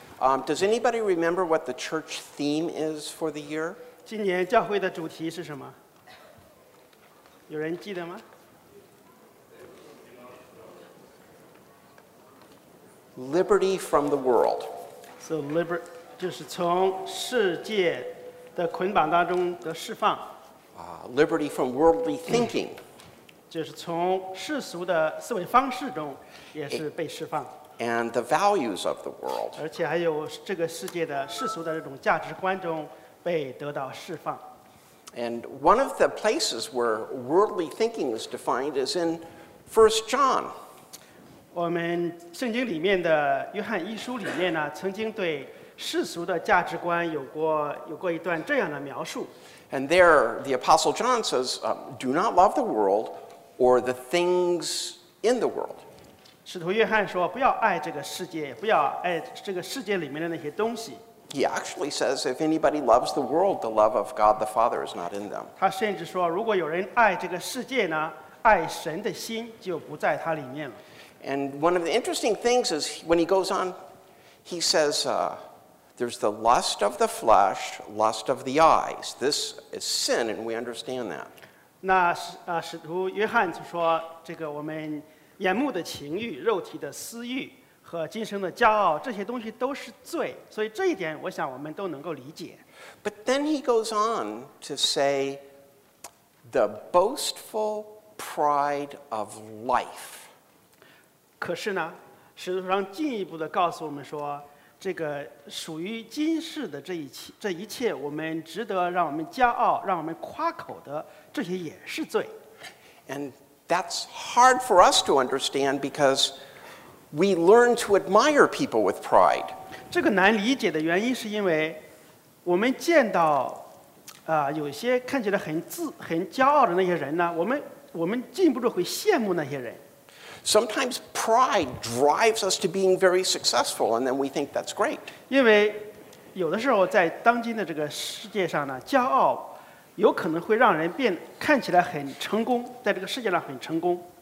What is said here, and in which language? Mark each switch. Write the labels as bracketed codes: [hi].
[en] Does anybody remember what the church theme is for the year? [zh] 今年教会的主题是什么？有人记得吗？ [en] Liberty from the world. So liberty [zh] 就是从世界的捆绑当中的释放。 [en] Liberty from worldly thinking. [zh] 就是从世俗的思维方式中也是被释放。 [en] And the values of the world. [zh] 而且还有这个世界的世俗的这种价值观中被得到释放。 [en] And one of the places where worldly thinking is defined is in 1 John. [zh] 我们圣经里面的约翰一书里面呢，曾经对世俗的价值观有过一段这样的描述。 [en] And there, the Apostle John says, "Do not love the world or the things in the world." [zh] 使徒约翰说，不要爱这个世界，不要爱这个世界里面的那些东西。 [en] He actually says, "If anybody loves the world, the love of God the Father is not in them." [zh] 他甚至说，如果有人爱这个世界呢，爱神的心就不在他里面了。 [en] And one of the interesting things is when he goes on, he says, there's the lust of the flesh, lust of the eyes. This is sin, and we understand that. [zh] 那使徒约翰说，这个我们眼目的情欲、肉体的私欲和今生的骄傲，这些东西都是罪。所以这一点，我想我们都能够理解。 [en] But then he goes on to say, the boastful pride of life. [zh] 可是呢，使徒上进一步的告诉我们说，这个属于今世的这一切，我们值得让我们骄傲、让我们夸口的，这些也是罪。 [en] And that's hard for us to understand because we learn to admire people with pride. [zh] 这个难理解的原因是因为我们见到有些看起来很骄傲的那些人呢，我们禁不住会羡慕那些人。 [en] Sometimes pride drives us to being very successful, and then we think that's great. [zh] 因为有的时候在当今的这个世界上呢，骄傲有可能会让人变看起来很成功，在这个世界上很成功。